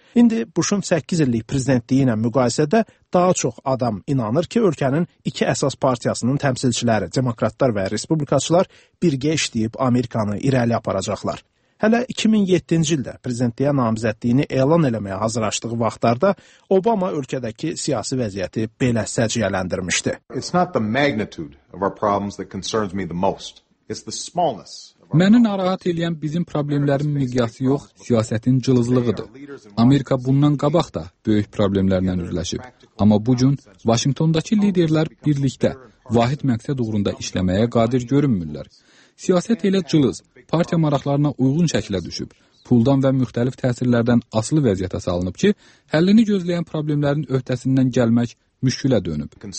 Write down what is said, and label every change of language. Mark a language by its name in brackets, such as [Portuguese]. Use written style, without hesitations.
[Azerbaijani] İndi Bush'un 8 illik prezidentliyi ilə müqayisədə daha çox adam inanır ki, ölkənin iki əsas partiyasının təmsilçiləri, demokratlar və respublikaçılar birgə işləyib Amerikanı irəli aparacaqlar. Hələ 2007-ci ildə prezidentliyə namizədliyini elan eləməyə hazırlaşdığı vaxtlarda Obama ölkədəki siyasi vəziyyəti belə səciyyələndirmişdi. [English] It's not the magnitude of our problems that concerns me the most. It's the smallness. [Azerbaijani] Məni narahat edən bizim problemlərin miqyası yox, siyasətin cılızlığıdır. Amerika bundan qabaq da böyük problemlərlə üzləşib. Amma bu gün Vaşinqtondakı liderlər birlikdə vahid məqsəd uğrunda işləməyə qadir görünmürlər. Siyasət elə cılız, partiya maraqlarına uyğun şəkildə düşüb, puldan və müxtəlif təsirlərdən asılı vəziyyətə salınıb ki, həllini gözləyən problemlərin öhdəsindən gəlmək müşkülə dönüb.